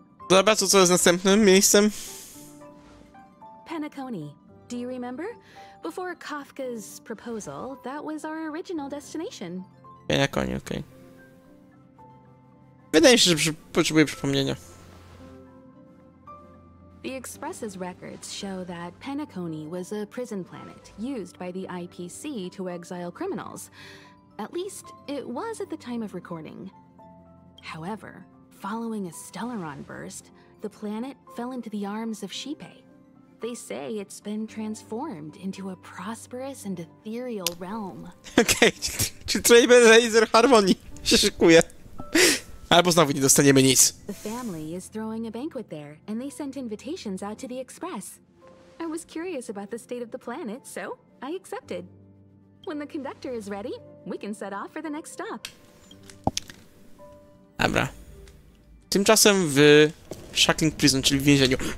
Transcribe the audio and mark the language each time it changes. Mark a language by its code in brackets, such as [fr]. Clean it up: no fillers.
[pl] Dobra, co jest następnym miejscem? [en] Penacony. Do you remember? Before Kafka's proposal, that was our original destination. [pl] Penacony, okej. Okay. Wydaje mi się, że potrzebuję przypomnienia. [en] The Express's records show that Penacony was a prison planet used by the IPC to exile criminals. At least, it was at the time of recording. However, following a Stellaron burst, the planet fell into the arms of Shipe. They say it's been transformed into a prosperous and ethereal realm. [pl] Okej, czy Trailblazer Harmony się szykuje? Albo znowu nie dostaniemy nic. [en] The family is throwing a banquet there, and they sent invitations out to the express. I was curious about the state of the planet, so I accepted. When the conductor is ready, we can set off for the next stop. [pl] Dobra. Tymczasem w Shackling Prison, czyli w więzieniu.